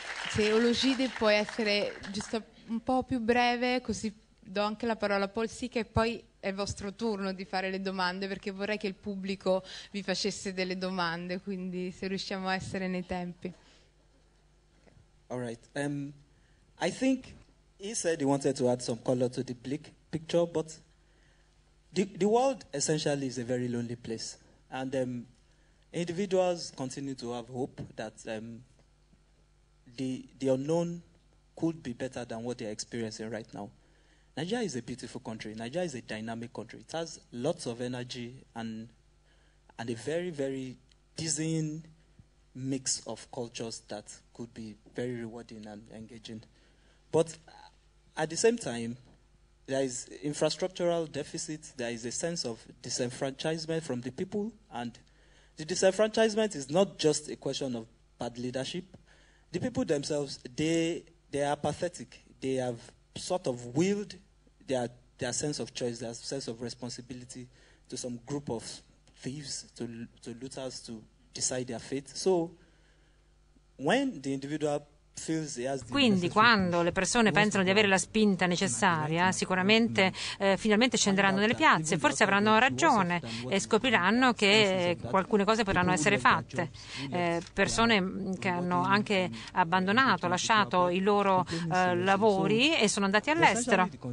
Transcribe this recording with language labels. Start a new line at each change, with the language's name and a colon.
Italian: Se Olusinde può essere giusto un po' più breve, così do anche la parola a Paul Sica e poi è vostro turno di fare le domande, perché vorrei che il pubblico vi facesse delle domande, quindi se riusciamo a essere nei tempi.
English: All right. I think he said he wanted to add some color to the picture, but the world essentially is a very lonely place, and individuals continue to have hope that the unknown could be better than what they're experiencing right now. Nigeria is a beautiful country. Nigeria is a dynamic country. It has lots of energy and a very, very dizzying mix of cultures that could be very rewarding and engaging. But at the same time, there is infrastructural deficit, there is a sense of disenfranchisement from the people, and the disenfranchisement is not just a question of bad leadership. The people themselves, they are apathetic. They have sort of willed their sense of choice, their sense of responsibility to some group of thieves, to looters, to decide their fate. So when the individual...
Italian: Quindi quando le persone pensano di avere la spinta necessaria, sicuramente finalmente scenderanno nelle piazze, forse avranno ragione e scopriranno che alcune cose potranno essere fatte. Persone che hanno anche abbandonato, lasciato i loro lavori e sono andati all'estero.